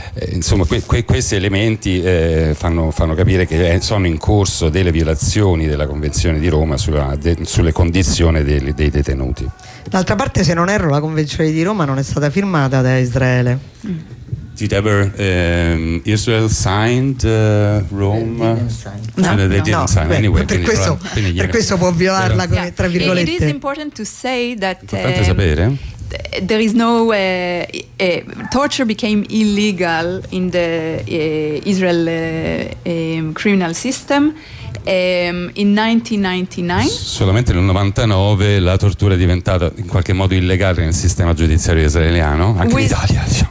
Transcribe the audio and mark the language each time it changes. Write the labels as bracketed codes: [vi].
[it] Insomma, questi elementi fanno capire che sono in corso delle violazioni della Convenzione di Roma sulle condizioni dei detenuti. D'altra parte, se non erro, la Convenzione di Roma non è stata firmata da Israele. [en] Did ever Israel signed Rome? [it] No, per questo può violarla con tra virgolette. [en] It is important to say that [it] importante sapere. [en] There is no torture became illegal in the Israel criminal system in 1999. [it] Solamente nel 99 la tortura è diventata in qualche modo illegale nel sistema giudiziario israeliano, anche in Italia.